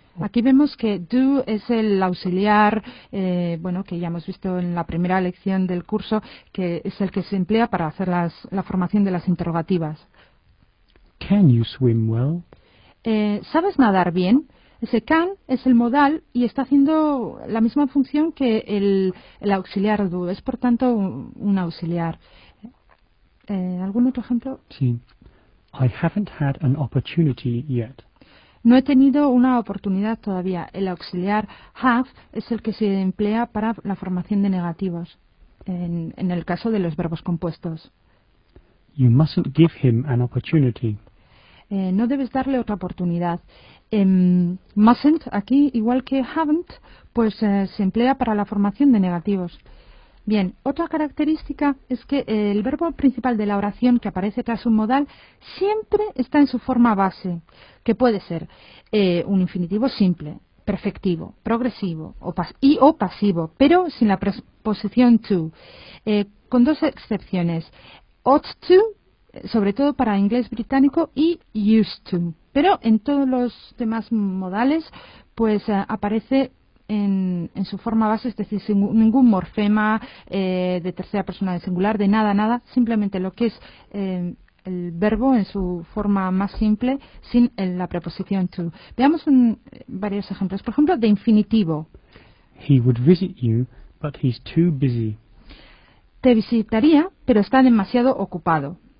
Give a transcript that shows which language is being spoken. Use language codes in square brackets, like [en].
[es] Aquí vemos que do es el auxiliar, bueno, que ya hemos visto en la primera lección del curso, que es el que se emplea para hacer la formación de las interrogativas. [en] Can you swim well? [es] ¿Sabes nadar bien? Ese can es el modal y está haciendo la misma función que el auxiliar do. Es, por tanto, un auxiliar. ¿Algún otro ejemplo? [en] Sí. I haven't had an opportunity yet. [es] No he tenido una oportunidad todavía. El auxiliar have es el que se emplea para la formación de negativos en el caso de los verbos compuestos. [en] You mustn't give him an opportunity. [es] No debes darle otra oportunidad. Mustn't, aquí, igual que haven't, pues se emplea para la formación de negativos. Bien, otra característica es que el verbo principal de la oración que aparece tras un modal siempre está en su forma base, que puede ser un infinitivo simple, perfectivo, progresivo o pasivo, pero sin la preposición to, con dos excepciones, ought to, sobre todo para inglés británico, y used to. Pero en todos los demás modales, pues aparece en su forma base, es decir, sin ningún morfema de tercera persona de singular, de nada, nada, simplemente lo que es el verbo en su forma más simple, sin la preposición to. Veamos varios ejemplos. Por ejemplo, de infinitivo. [en] He would visit you, but he's too busy. [es] Te visitaría, pero está demasiado ocupado.